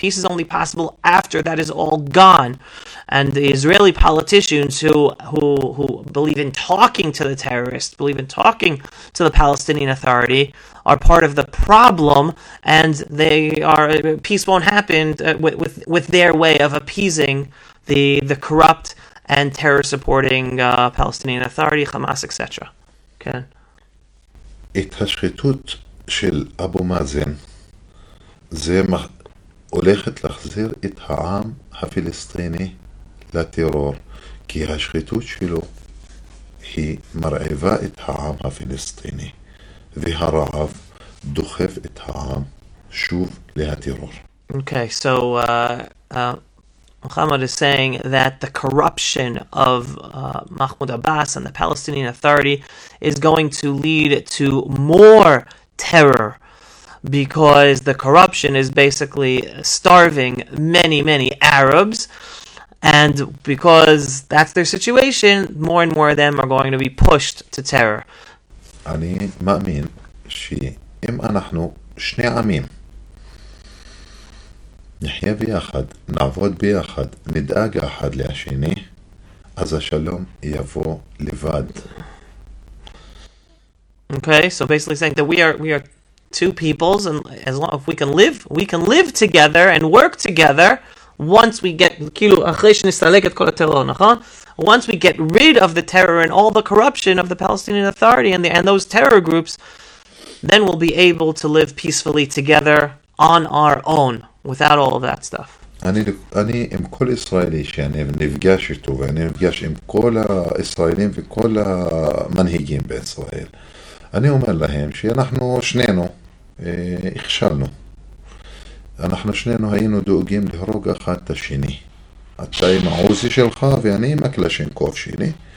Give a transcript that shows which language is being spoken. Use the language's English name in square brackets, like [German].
[English] Peace is only possible after that is all gone. And the Israeli politicians who believe in talking to the terrorists, believe in talking to the Palestinian Authority, are part of the problem, and they are peace won't happen with their way of appeasing the corrupt and terror supporting Palestinian Authority, Hamas, etc. [Hebrew] Ken. את השחיתות של אבו מאזן זה הולכת להחזיר את העם הפלסטיני לטרור, כי השחיתות שלו היא מרעיבה את העם הפלסטיני והרעב דוחף את העם שוב להטרור. [English] Okay, so Muhammad is saying that the corruption of Mahmoud Abbas and the Palestinian Authority is going to lead to more terror, because the corruption is basically starving many, many Arabs, And because that's their situation, more and more of them are going to be pushed to terror. [Hebrew] אני מאמין שאם אנחנו שני עמים נחיה ביחד, נעבוד ביחד, נדאג אחד לשני, אז השלום יבוא לבד. [English] Okay, so basically saying that we are two peoples, and as long as we can live together and work together, once we get [Hebrew] kilu אחרי שנסלק את כל הטרור, נכון? [English] Once we get rid of the terror and all the corruption of the Palestinian Authority and those terror groups, then we'll be able to live peacefully together on our own without all of that stuff. [Hebrew] אני עם כל ישראלי שאני נפגש איתו, ואני נפגש עם כל הישראלים וכל המנהיגים בישראל. אני אומר להם שאנחנו שנינו הכשלנו. אנחנו שנינו היינו דואגים להרוג אחד את השני. אתה עם העוזי שלך ואני עם הקלשנקוב שלי.